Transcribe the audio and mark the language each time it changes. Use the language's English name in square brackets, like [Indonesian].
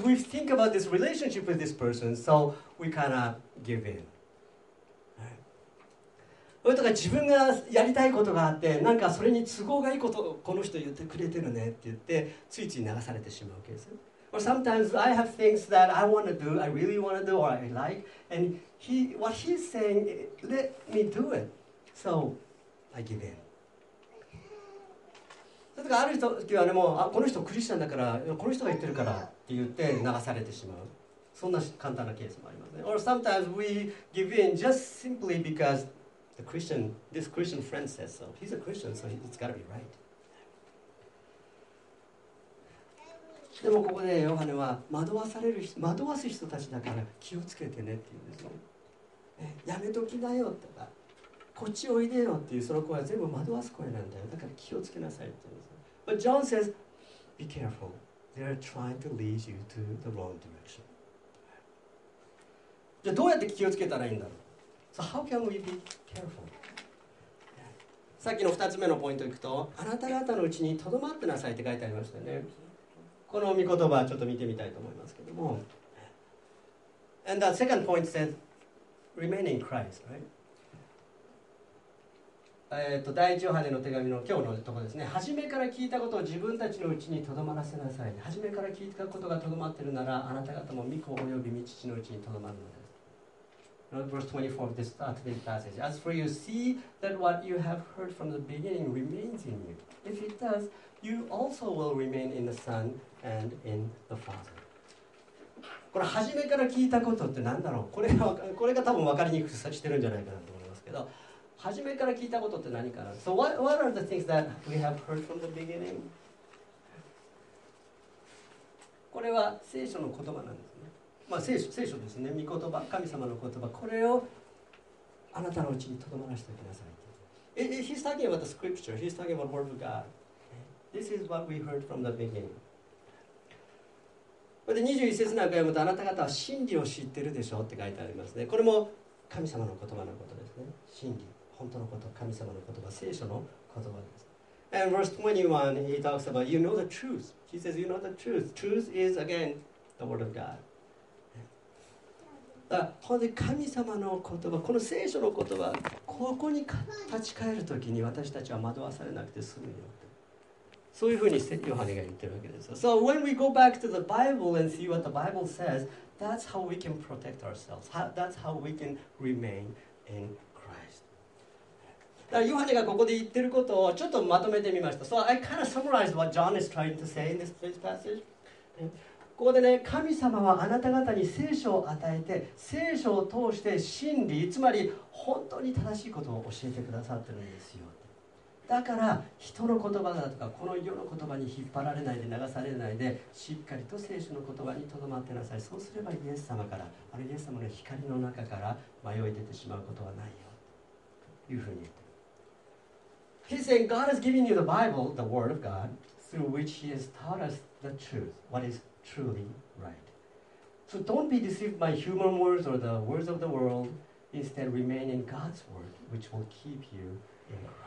[English] Sometimes we think about this relationship with this person, so we kind of give in、right? [Japanese] それとか自分がやりたいことがあって、なんかそれに都合がいいことをこの人言ってくれてるねって言ってついつい流されてしまうケース。 [English] Or sometimes I have things that I want to do, I really want to do, or I like, and he, what he's saying, let me do it, soI give in. [Japanese] だからある時はね、もうあこの人クリスチャンだから、この人が言ってるからって言って流されてしまう、そんな簡単なケースもありますね。 [English] Or sometimes we give in just simply because the Christian, this Christian friend says so. He's a Christian, so it's got to be right. [Japanese] でもここでヨハネは惑わす人たちだから気をつけてねって言うんですよ、ね、やめときなよとか、こっちおいでよっていう、その声は全部惑わす声なんだよ、だから気をつけなさいって言うんですよ。 [English] But John says, be careful. They are trying to lead you to the wrong direction. [Japanese] じゃあどうやって気をつけたらいいんだろう。 [English] So how can we be careful? [Japanese] さっきの2つ目のポイントいくと、あなた方のうちにとどまってなさいって書いてありましたよね。この御言葉ちょっと見てみたいと思いますけども。 [English] And the second point says, remain in Christ, right? [Japanese] 第一ヨハネの手紙の今日のところですね。初めから聞いたことを自分たちのうちにとどまらせなさい。初めから聞いたことがとどまっているなら、あなた方も御子および御父のうちにとどまるのです。 [English] Verse 24 of this today's passage. As for you, see that what you have heard from the beginning remains in you. If it does, you also will remain in the Son and in the Father. [Japanese] これ初めから聞いたことって何だろう、これが多分分かりにくくしてるんじゃないかなと思いますけど、初めから聞いたことって何かな。 [English] So what are the things that we have heard from the beginning? [Japanese] これは聖書の言葉なんですね。まあ聖書ですね、御言葉、神様の言葉、これをあなたのうちにとどまらせておきなさい。 [English] He's talking about the scripture. He's talking about the word of God. This is what we heard from the beginning. [Japanese] で21節なんか読むと、あなた方は真理を知ってるでしょうって書いてありますね。これも神様の言葉のことですね。真理、本当のこと、神様の言葉、聖書の言葉です。 [English] And verse 21, he talks about, you know the truth. He says, you know the truth. Truth is, again, the word of God. [Japanese] だから神様の言葉、この聖書の言葉、ここに立ち返るときに私たちは惑わされなくて済むよ。そういうふうにヨハネが言ってるわけです。 [English] So when we go back to the Bible and see what the Bible says, that's how we can protect ourselves. That's how we can remain in Christ. [Japanese] だからヨハネがここで言ってることをちょっとまとめてみました。 [English] So I kind of summarized what John is trying to say in this passage. [Japanese] ここでね、神様はあなた方に聖書を与えて、聖書を通して真理、つまり本当に正しいことを教えてくださってるんですよ。だから人の言葉だとかこの世の言葉に引っ張られないで流されないで、しっかりと聖書の言葉にとどまってなさい。そうすればイエス様から、あるいはイエス様の光の中から迷い出てしまうことはないよ、というふうに言っている。 [English] He's saying God has given you the Bible, the word of God, through which he has taught us the truth, what is truly right. So don't be deceived by human words or the words of the world. Instead, remain in God's word, which will keep you in Christ.